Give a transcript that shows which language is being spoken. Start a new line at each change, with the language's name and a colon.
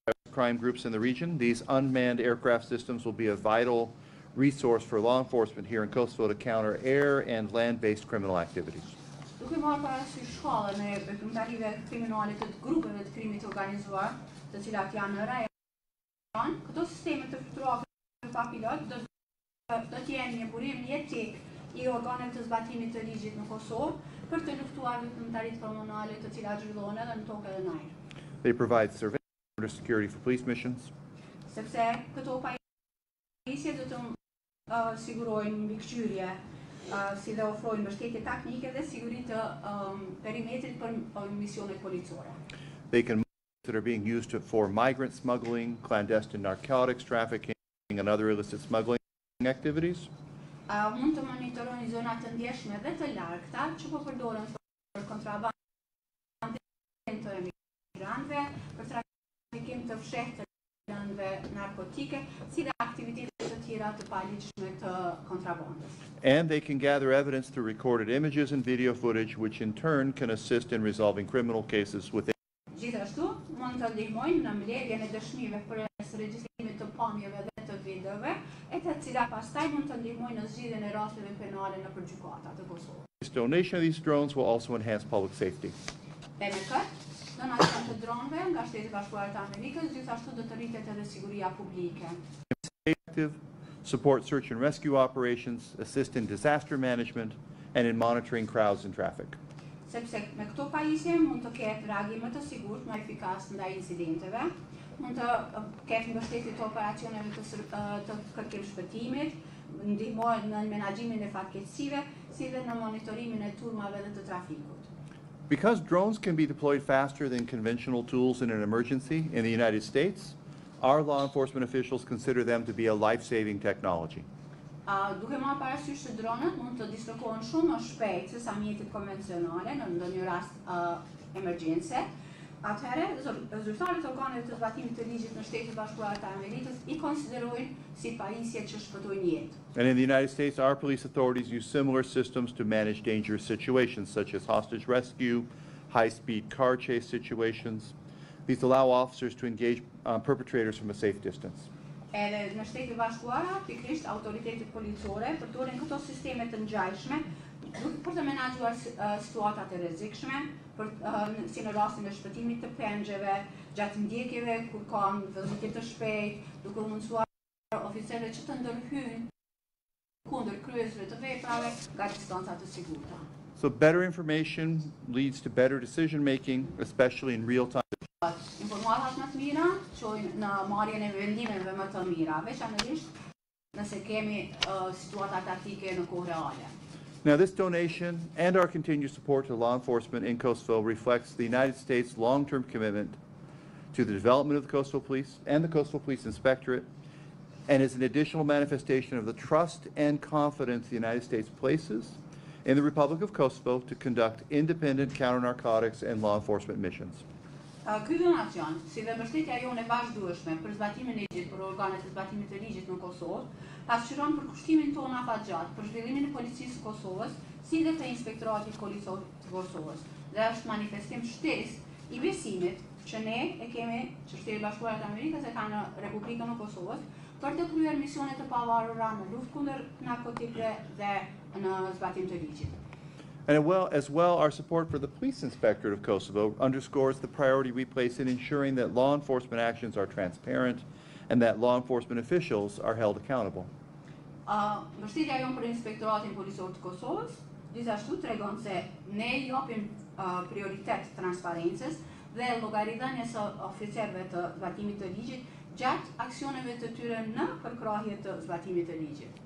English: Crime groups in the region, these unmanned aircraft systems will be a vital resource for law enforcement here in Kosovo to counter air and land-based criminal activities.
Albanian: Duke marrë parasysh shkallën e veprimtarive kriminale të grupeve të krimit të organizuar, të cilat janë në rajon, këto sisteme të fluturuara me papilot do do të jenë një burim jetik i organit të zbatimit të ligjit në Kosovë për të luftuar vetëmtaritë kolonale të cilat zhvillohen edhe në tokë edhe në ajër.
English: They provide surveillance and security for police missions.
Albanian: Sepse këto pajisje do të sigurojnë mbikëqyrje si dhe ofrojnë mbështetje taktike dhe siguri të perimetrit për misionet policore.
English: They can that are being used for migrant smuggling, clandestine narcotics trafficking, and other illicit smuggling activities.
Albanian: Mund të monitorojnë zonat të ndjeshme dhe të largëta që po përdoren për kontrabandën të emigrantëve, për trafikim të fshehtëve narkotike, si dhe aktivitetet të tjera të paligjshme të kontrabandës.
English: And they can gather evidence through recorded images and video footage, which in turn can assist in resolving criminal cases within.
Albanian: Gjithashtu, mund të ndihmojnë në mbledhjen e dëshmive për regjistrimin të pamjeve dhe të videove, e të cilat pastaj mund të ndihmojnë në zgjidhjen e rasteve penale në gjykata të Kosovës.
English: This donation of these drones will also enhance public safety.
Albanian: Dhe me këtë, donacion të dronëve nga Shtetet Bashkuara të Amerikës, gjithashtu do të rritet edhe siguria publike.
English: Effective support search and rescue operations, assist in disaster management, and in monitoring crowds and traffic.
Albanian: Sepse me këto pajisje mund të ketë reagim më të sigurt, më efikas ndaj incidenteve, mund të ketë mbështetje të operacioneve të kërkim shpëtimit, ndihmojë në menaxhimin e fatkeqësive, si dhe në monitorimin e turmave dhe të trafikut.
English: Because drones can be deployed faster than conventional tools in an emergency in the United States, our law enforcement officials consider them to be a life-saving technology.
Albanian: Duke marrë parasysh se dronët mund të dislokohen shumë më shpejt se sa mjetet konvencionale në ndonjë rast emergjence, atëherë zyrtarët e organit të zbatimit të ligjit në Shtetet Bashkuara të Amerikës i konsiderojnë si pajisje që shpëtojnë jetë.
English: And in the United States, our police authorities use similar systems to manage dangerous situations such as hostage rescue, high-speed car chase situations. These allow officers to engage perpetrators from a safe distance.
Albanian: Edhe në Shtetet Bashkuara, pikrisht autoritetet policore përdorin këto sisteme të ngjajshme për të menaxhuar situatat e rrezikshme, për si në rastin e shpëtimit të pengjeve, gjatë ndjekjeve kur ka vëzhgim të shpejtë, duke u mundësuar oficerëve që të ndërhyjnë kundër kryesëve të veprave nga distanca të sigurta.
English: So better information leads to better decision making, especially in real time.
Albanian: Informatat më të mira qojnë në marjen e vendimeve më të mira, veçanërisht nëse kemi situata taktike në kohë reale.
English: Now this donation and our continued support to law enforcement in Kosovo reflects the United States' long-term commitment to the development of the Kosovo Police and the Kosovo Police Inspectorate, and is an additional manifestation of the trust and confidence the United States places in the Republic of Kosovo to conduct independent counter-narcotics and law enforcement missions.
Albanian: Ky donacion, si dhe mbështetja jone e vazhdueshme për zbatimin e ligjit për organet e zbatimit të ligjit në Kosovë, pasqyron për kushtimin tonë afatgjatë për zhvillimin e policisë Kosovës, si dhe të inspektoratit policor të Kosovës, dhe është manifestim shtesë i besimit që ne e kemi, që Shtetet Bashkuara të Amerikës e ka në Republikën e Kosovës, për të kryer misionet të pavarura në luftë kundër narkotikëve dhe në zbatim të ligjit.
English: And as well, our support for the Police Inspectorate of Kosovo underscores the priority we place in ensuring that law enforcement actions are transparent and that law enforcement officials are held accountable.
Albanian: Mbështetja jonë për Inspektoratin Policor të Kosovës, gjithashtu tregon se ne japim prioritet transparencës dhe llogaridhënies së oficerëve të zbatimit të ligjit gjatë aksioneve të tyre në përkrahje të zbatimit të ligjit.